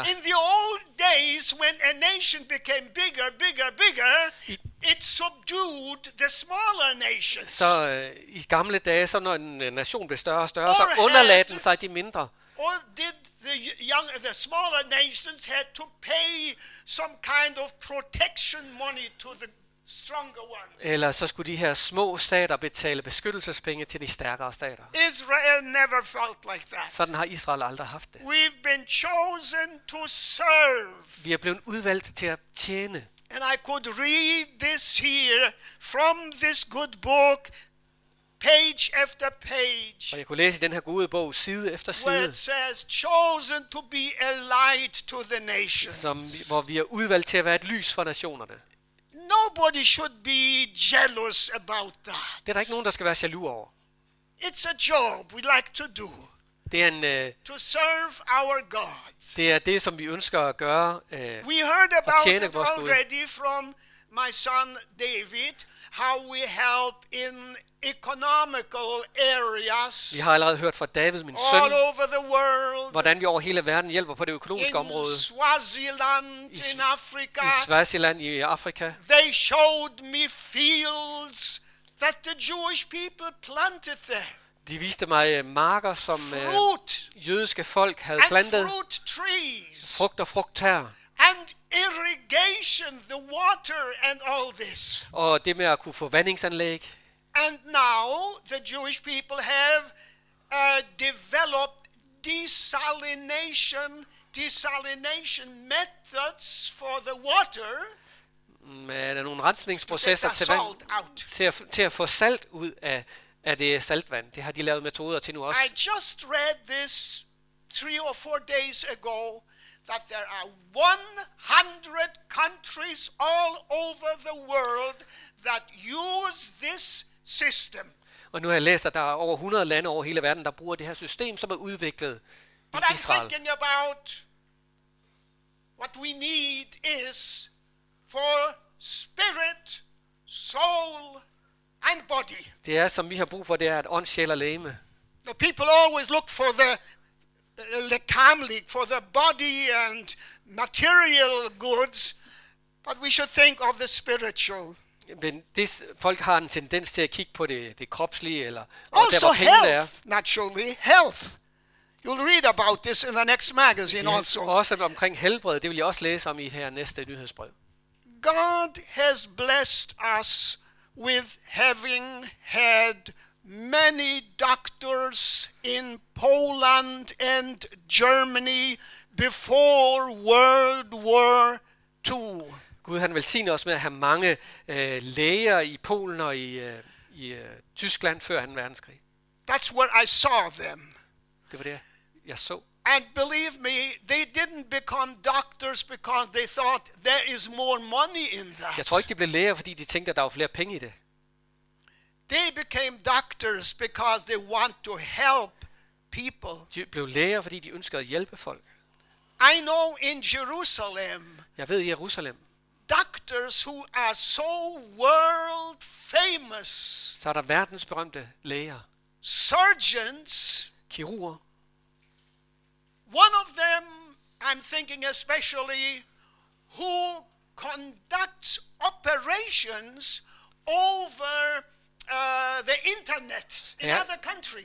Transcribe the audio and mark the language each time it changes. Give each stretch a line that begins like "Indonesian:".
English: In the old days, when a nation became bigger, bigger, bigger, it subdued the smaller nations.
Danish: Så i gamle dage, så når en nation blev større og større, så underlagde den sig de mindre.
English: Or did the smaller nations had to pay some kind of protection money to the stronger ones.
Danish: Eller så skulle de her små stater betale beskyttelsespenge til de stærkere stater.
English: Israel never felt like that.
Danish: Sådan har Israel aldrig haft det.
English: We've been chosen to serve.
Danish: Vi er blevet udvalgt til at tjene.
English: And I could read this here from this good book, page after page.
Danish: Og jeg kunne læse den her gode bog side efter side.
English: Where it says, chosen to be a light to the nations.
Danish: Hvor vi er udvalgt til at være et lys for nationerne.
English: Nobody should be jealous about that.
Danish: Det er der ikke nogen, der skal være jaloux over.
English: It's a job we like to do.
Danish: Det er en
English: to serve our God.
Danish: Det er det, som vi ønsker at gøre.
English: We heard about it already from my son David, how we help in economical areas.
Danish: Vi har allerede hørt fra David, min søn.
English: All over the world.
Danish: Hvordan vi over hele verden hjælper på det økonomiske område.
English: In Swaziland, in Africa.
Danish: I Swaziland i Afrika.
English: They showed me fields that the Jewish people planted there.
Danish: De viste mig marker, som jødiske folk havde plantet.
English: Fruit trees.
Danish: Frugt og frugttær.
English: And irrigation, the water and all this.
Danish: Og det med at kunne få vandingsanlæg.
English: And now the Jewish people have developed desalination methods for the water.
Danish: Men nogle rensningsprocesser til vand, til at få salt ud af det saltvand. Det har de lavet metoder til nu også.
English: I just read this 3 or 4 days ago that there are 100 countries all over the world that use this system.
Danish: Og nu har jeg læst, at der er over 100 lande over hele verden, der bruger det her system, som er udviklet i Israel.
English: But I'm thinking about what we need is for spirit, soul and body.
Danish: Det er, som vi har brug for, det er at ånd, sjæl og legeme.
English: The people always look for the carnally, for the body and material goods, but we should think of the spiritual.
Danish: Men det, folk har en tendens til at kigge på det kropslige eller
English: also
Danish: der, hvor
English: health, naturally health. You'll read about this in the next magazine also.
Danish: Også omkring helbred, det vil jeg også læse om i her næste nyhedsbrev.
English: God has blessed us with having had many doctors in Poland and Germany before World War II.
Danish: Gud, han velsigner os med at have mange læger i Polen og i Tyskland før 2. verdenskrig.
English: That's where I saw them.
Danish: Det var det, jeg så.
English: And believe me, they didn't become doctors because they thought there is more money in that.
Danish: Jeg tror ikke, de blev læger, fordi de tænkte, at der var flere penge i det.
English: They became doctors because they want to help people.
Danish: De blev læger, fordi de ønskede at hjælpe folk.
English: I know in Jerusalem.
Danish: Jeg ved i Jerusalem.
English: Doctors who are so world famous.
Danish: Så er der verdensberømte læger.
English: Surgeons.
Danish: Kirurger.
English: One of them, I'm thinking especially, who conducts operations over the internet in other countries.